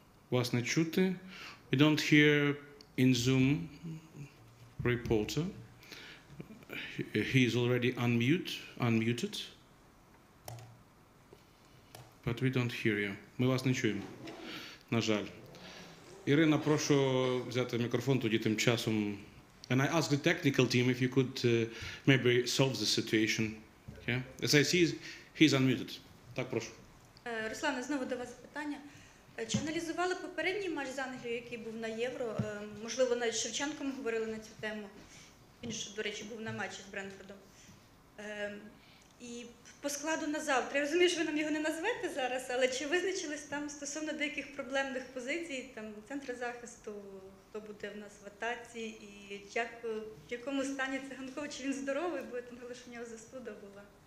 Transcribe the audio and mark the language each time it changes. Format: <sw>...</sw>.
<uk>Вас не чути.</uk> <en>We don't hear in Zoom reporter. He is already unmuted. But we don't hear you.</en> <uk>Ми вас не чуємо, на жаль. Ірина, прошу взяти мікрофон тоді тим часом.</uk> <en>And I ask the technical team if you could maybe solve the situation. Yeah? As I see, he's unmuted.</en> <uk>Так, прошу. Руслана, знову до вас питання. Чи аналізували попередній матч з Англією, який був на Євро? Можливо, навіть Шевченком говорили на цю тему. Він, до речі, був на матчі з Брентфордом. І по складу на завтра, я розумію, що ви нам його не назвете зараз, але чи визначились там стосовно деяких проблемних позицій, там, центру захисту, хто буде в нас в атаці, і як, в якому стані Циганков, чи він здоровий, бо там лише у нього застуда була.</uk>